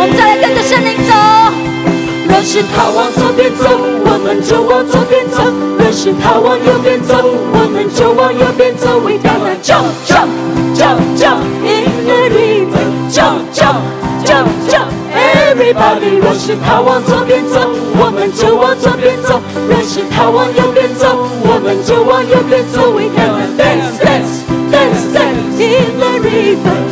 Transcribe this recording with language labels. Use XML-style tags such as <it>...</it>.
<zh>若是他往左边走，我们就往左边走；若是他往右边走，我们就往右边走。</zh> <en>We gonna jump, jump, jump, jump in the river. Jump, jump, jump, jump, everybody.</en> <zh>若是他往左边走，我们就往左边走；若是他往右边走，我们就往右边走。</zh> <en>We gonna dance, dance, dance, dance in the river.</en>